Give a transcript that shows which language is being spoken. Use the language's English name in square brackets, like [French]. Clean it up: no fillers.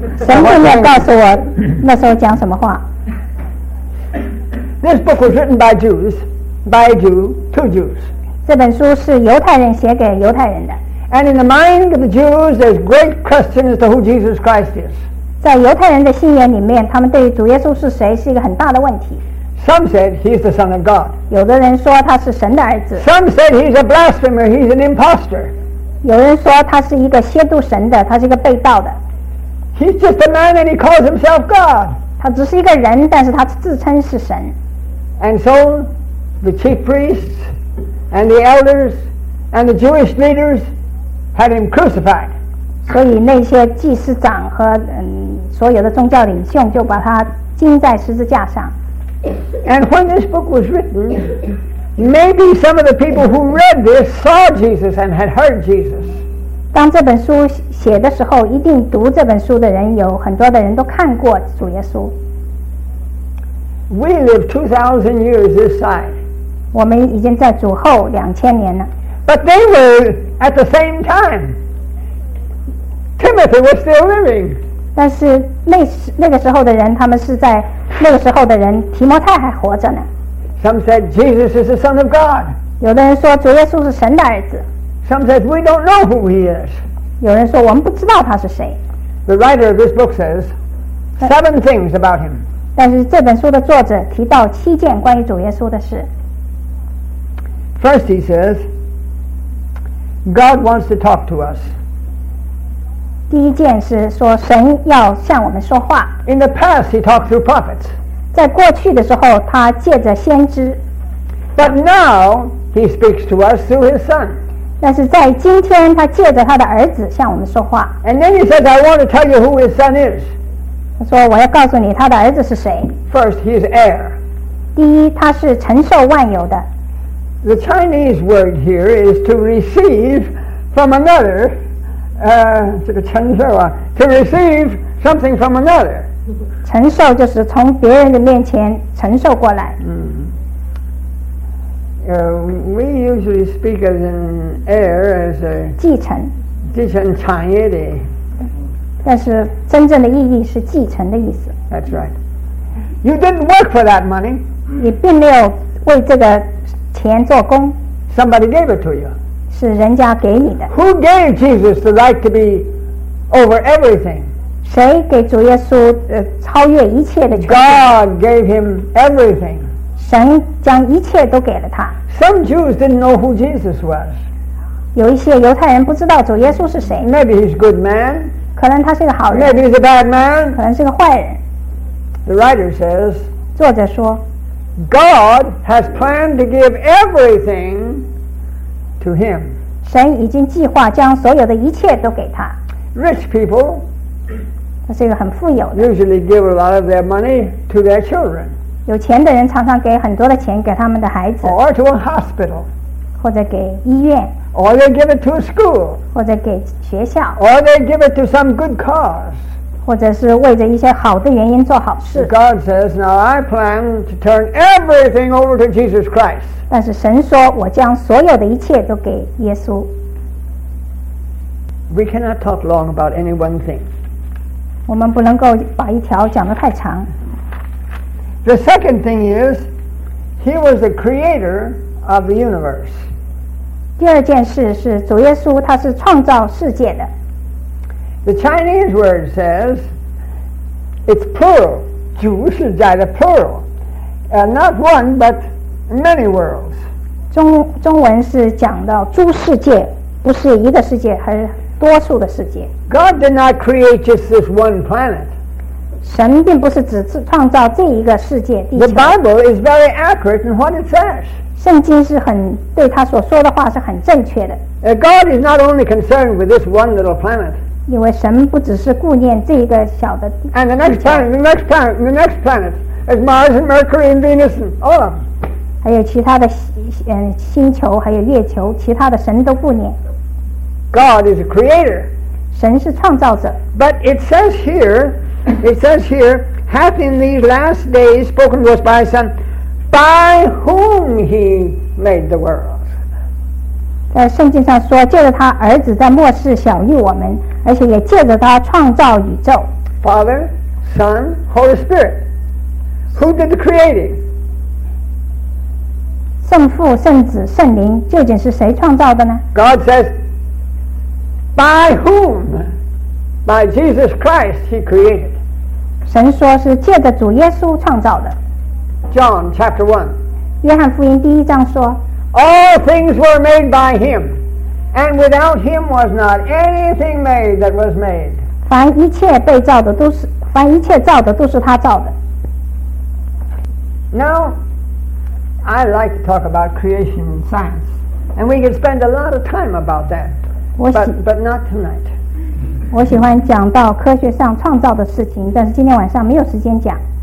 [Chinese] 神并没有告诉我那时候讲什么话。 [English] This book was written by Jews, by a Jew, to Jews. [Chinese] 这本书是犹太人写给犹太人的。 [English] And in the mind of the Jews, there's great question as to who Jesus Christ is. [Chinese] 在犹太人的心眼里面，他们对于主耶稣是谁是一个很大的问题。 [English] Some said he's the Son of God. [Chinese] 有的人说他是神的儿子。 [English] Some said he's a blasphemer, he's an impostor. [Chinese] 有人说他是一个亵渎神的，他是一个被盗的。 [English] He's just a man and he calls himself God. [Chinese] 他只是一个人，但是他自称是神。 [English] And so, the chief priests and the elders and the Jewish leaders had him crucified. [Chinese] 所以那些祭司长和所有的宗教领袖就把他钉在十字架上。 [English] And when this book was written, maybe some of the people who read this saw Jesus and had heard Jesus. [Chinese] 当这本书写的时候，一定读这本书的人有很多的人都看过主耶稣。 [English] We live 2,000 years this side. [Chinese] 我们已经在主后2000年了。 [English] But they were at the same time. Timothy was still living. [Chinese] 但是那个时候的人，他们是在那个时候的人，提摩太还活着呢。 [English] Some said Jesus is the Son of God. [Chinese] 有的人说主耶稣是神的儿子。 [English] Some said we don't know who he is. [Chinese] 有人说我们不知道他是谁。 [English] The writer of this book says seven things about him. [Chinese] 但是这本书的作者提到七件关于主耶稣的事。 [English] First, he says, God wants to talk to us. [Chinese] 第一件是说神要向我们说话。 [English] In the past, he talked through prophets. [Chinese] 在过去的时候，他借着先知。 [English] But now, he speaks to us through his son. [Chinese] 但是在今天，他借着他的儿子向我们说话。 [English] And then he says, I want to tell you who his son is. [Chinese] 他说我要告诉你他的儿子是谁。 [English] First, he is heir. [Chinese] 第一他是承受万有的。 [English] The Chinese word here is to receive from another, [Chinese] 这个承受啊, [English] to receive something from another. [Chinese] 承受就是从别人的面前承受过来。 [English] We usually speak as an heir, as a [Chinese] 继承，继承产业的。但是真正的意义是继承的意思。 [English] That's right. You didn't work for that money. [Chinese] 你并没有为这个钱做工。 [English] Somebody gave it to you. [Chinese] 是人家给你的。 [English] Who gave Jesus the right to be over everything? [Chinese] 谁给主耶稣超越一切的权 [English] 利？God gave him everything. [Chinese] 神将一切都给了他。 [English] Some Jews didn't know who Jesus was. [Chinese] 有一些犹太人不知道主耶稣是谁。 [English] Maybe he's a good man. [Chinese] 可能他是个好人。 [English] Maybe he's a bad man. [Chinese] 可能是个坏人。 [English] The writer says. [Chinese] 作者说。 [English] God has planned to give everything to him. [Chinese] 神已经计划将所有的一切都给他。 [English] Rich people, [Chinese] 他是一个很富有的。 [English] Usually give a lot of their money to their children. [Chinese] 有钱的人常常给很多的钱给他们的孩子。 [English] Or to a hospital. [Chinese] 或者给医院。 [English] Or they give it to a school. [Chinese] 或者给学校。 [English] Or they give it to some good cause. [Chinese] 或者是为着一些好的原因做好事。 [English] God says, "Now I plan to turn everything over to Jesus Christ." [Chinese] 但是神说，我将所有的一切都给耶稣。 [English] We cannot talk long about any one thing. [Chinese] 我们不能够把一条讲得太长。 [English] The second thing is, He was the creator of the universe. [Chinese] 第二件事是主耶稣，他是创造世界的。 [English] The Chinese word says it's plural. [Chinese] 主是在的 [English] plural. Not one, but many worlds. [Chinese] 中文是讲到诸世界，不是一个世界，而多数的世界。 [English] God did not create just this one planet. [Chinese] 神并不是只创造这一个世界，地球。 [English] The Bible is very accurate in what it says. [Chinese] 圣经是很，对他所说的话是很正确的。 [English] God is not only concerned with this one little planet. [Chinese] 因为神不只是顾念这个小的地球。 [English] And the next planet, the next planet, the next planet is Mars and Mercury and Venus and all of them. [Chinese] 还有其他的星球，还有月球，其他的神都顾念。 [English] God is a creator. [Chinese] 神是创造者。 [English] But it says here, hath in these last days spoken to us by His Son, by whom He made the world. [Chinese] 在圣经上说，借着他儿子在末世晓谕我们，而且也借着他创造宇宙。 [English] Father, Son, Holy Spirit, who did the creating? [Chinese] 圣父、圣子、圣灵究竟是谁创造的呢？ [English] God says, by whom? By Jesus Christ, He created. [Chinese] 神说是借着主耶稣创造的。 [English] John chapter 1. [Chinese] 约翰福音第一章说。 [English] All things were made by him, and without him was not anything made that was made. [Chinese] 凡一切被造的都是，凡一切造的都是他造的。 [English] Now, I like to talk about creation science, and we could spend a lot of time about that, but not tonight. [Chinese] 我喜欢讲到科学上创造的事情，但是今天晚上没有时间讲。